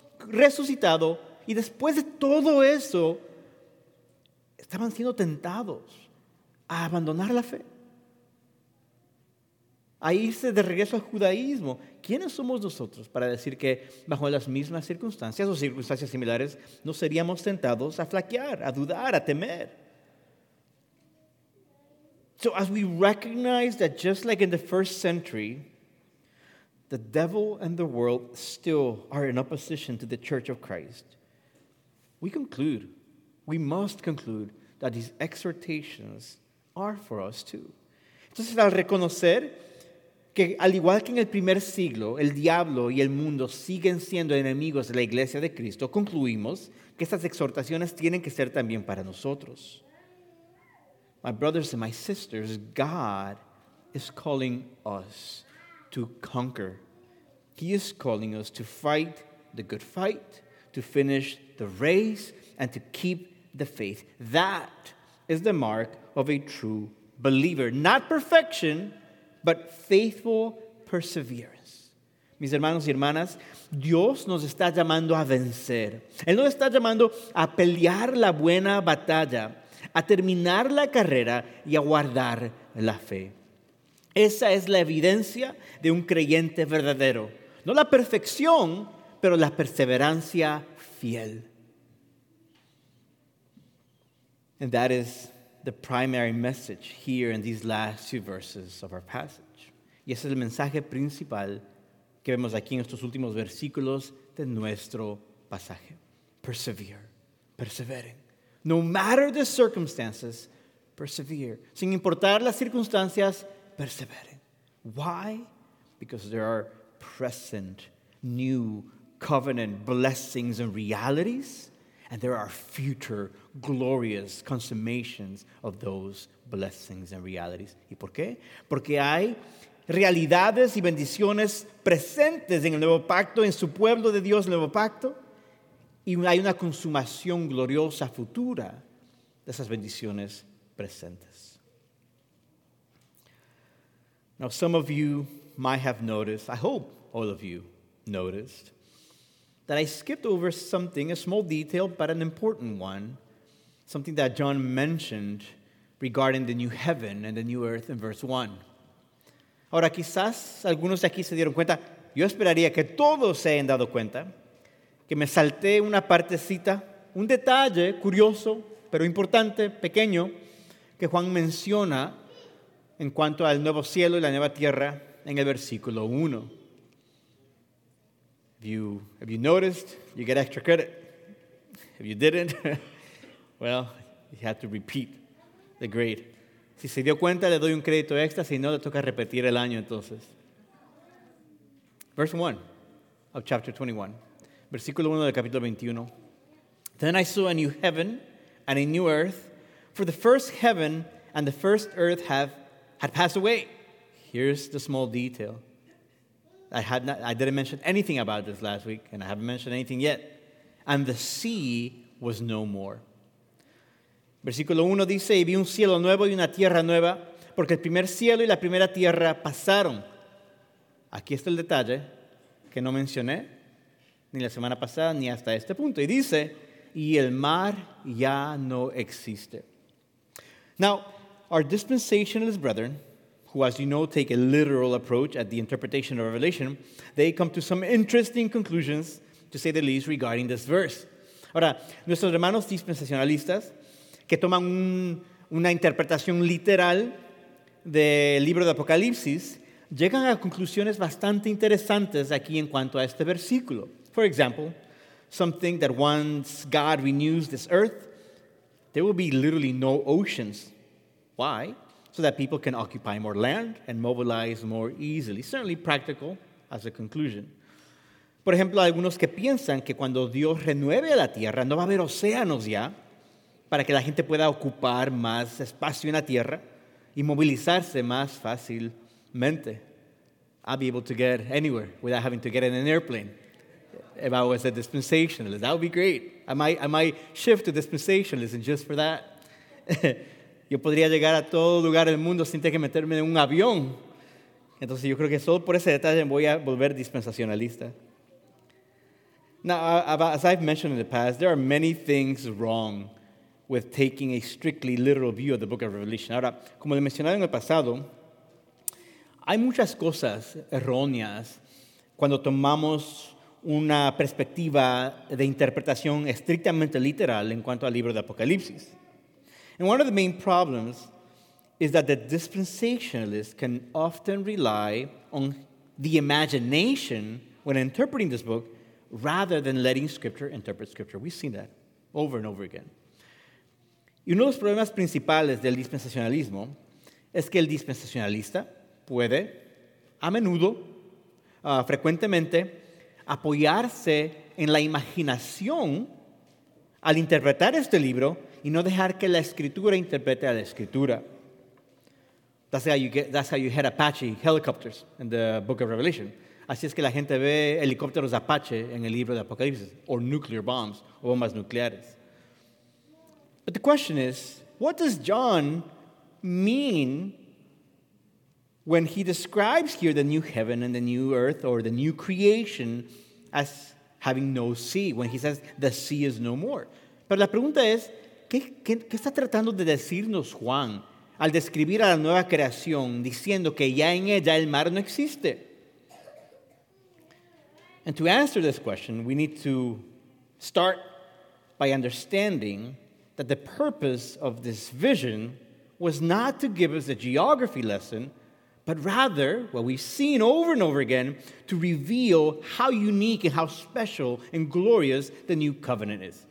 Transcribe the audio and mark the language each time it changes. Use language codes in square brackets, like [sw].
[es] resucitado, y después de todo eso, estaban siendo tentados a abandonar la fe, a irse de regreso al judaísmo. ¿Quiénes somos nosotros para decir que bajo las mismas circunstancias o circunstancias similares no seríamos tentados a flaquear, a dudar, a temer? [en] So as we recognize that just like in the first century, the devil and the world still are in opposition to the church of Christ, we must conclude that these exhortations are for us too. [es] Entonces, al reconocer que al igual que en el primer siglo, el diablo y el mundo siguen siendo enemigos de la iglesia de Cristo, concluimos que estas exhortaciones tienen que ser también para nosotros. [en] My brothers and my sisters, God is calling us to conquer He is calling us to fight the good fight, to finish the race, and to keep the faith. That is the mark of a true believer. Not perfection, but faithful perseverance. [es] Mis hermanos y hermanas, Dios nos está llamando a vencer. Él nos está llamando a pelear la buena batalla, a terminar la carrera y a guardar la fe. Esa es la evidencia de un creyente verdadero. No la perfección, pero la perseverancia fiel. [en] And that is the primary message here in these last few verses of our passage. [es] Y ese es el mensaje principal que vemos aquí en estos últimos versículos de nuestro pasaje. [en] Persevere. Persevering. No matter the circumstances, persevere. [es] Sin importar las circunstancias, persevere. [en] Why? Because there are present new covenant blessings and realities, and there are future glorious consummations of those blessings and realities. [es] ¿Y por qué? Porque hay realidades y bendiciones presentes en el nuevo pacto, en su pueblo de Dios, el nuevo pacto, y hay una consumación gloriosa futura de esas bendiciones presentes. [en] Now, some of you might have noticed, I hope all of you noticed, that I skipped over something, a small detail, but an important one, something that John mentioned regarding the new heaven and the new earth in verse 1. [es] Ahora, quizás algunos de aquí se dieron cuenta, yo esperaría que todos se hayan dado cuenta, que me salté una partecita, un detalle curioso, pero importante, pequeño, que Juan menciona en cuanto al nuevo cielo y la nueva tierra en el versículo 1. [en] Have you noticed, you get extra credit. If you didn't, well, you have to repeat the grade. [es] Si se dio cuenta, le doy un crédito extra. Si no, le toca repetir el año entonces. [en] Verse 1 of chapter 21. [es] Versículo 1 del capítulo 21. [en] Then I saw a new heaven and a new earth, for the first heaven and the first earth had passed away. Here's the small detail. I didn't mention anything about this last week, and I haven't mentioned anything yet. And the sea was no more. [es] Versículo 1 dice, y vi un cielo nuevo y una tierra nueva, porque el primer cielo y la primera tierra pasaron. Aquí está el detalle que no mencioné ni la semana pasada ni hasta este punto. Y dice, y el mar ya no existe. [en] Now, our dispensationalist brethren, who, as you know, take a literal approach at the interpretation of Revelation, they come to some interesting conclusions, to say the least, regarding this verse. [es] Ahora, nuestros hermanos dispensacionalistas, que toman una interpretación literal del libro de Apocalipsis, llegan a conclusiones bastante interesantes aquí en cuanto a este versículo. [en] For example, some think that once God renews this earth, there will be literally no oceans. Why? So that people can occupy more land and mobilize more easily. Certainly practical as a conclusion. [es] Por ejemplo, algunos que piensan que cuando Dios renueve la tierra, no va a haber océanos ya para que la gente pueda ocupar más espacio en la tierra y movilizarse más fácilmente. [en] I'll be able to get anywhere without having to get in an airplane. If I was a dispensationalist, that would be great. I might shift to dispensationalism just for that. [es] Yo podría llegar a todo lugar del mundo sin tener que meterme en un avión. Entonces yo creo que solo por ese detalle voy a volver dispensacionalista. [en] Now, as I've mentioned in the past, there are many things wrong with taking a strictly literal view of the book of Revelation. [es] Ahora, como le mencionaba en el pasado, hay muchas cosas erróneas cuando tomamos una perspectiva de interpretación estrictamente literal en cuanto al libro de Apocalipsis. [en] And one of the main problems is that the dispensationalist can often rely on the imagination when interpreting this book rather than letting Scripture interpret Scripture. We've seen that over and over again. [es] Y uno de los problemas principales del dispensacionalismo es que el dispensacionalista puede, a menudo, frecuentemente, apoyarse en la imaginación al interpretar este libro y no dejar que la escritura interprete a la escritura. [en] That's how you get Apache helicopters in the book of Revelation. [es] Así es que la gente ve helicópteros Apache en el libro de Apocalipsis, [en] or nuclear bombs, [es] o bombas nucleares. [en] But the question is, what does John mean when he describes here the new heaven and the new earth or the new creation as having no sea, when he says the sea is no more? [es] Pero la pregunta es, ¿qué está tratando de decirnos Juan al describir a la nueva creación diciendo que ya en ella el mar no existe? [en] And to answer this question, we need to start by understanding that the purpose of this vision was not to give us a geography lesson, but rather, what we've seen over and over again, to reveal how unique and how special and glorious the new covenant is.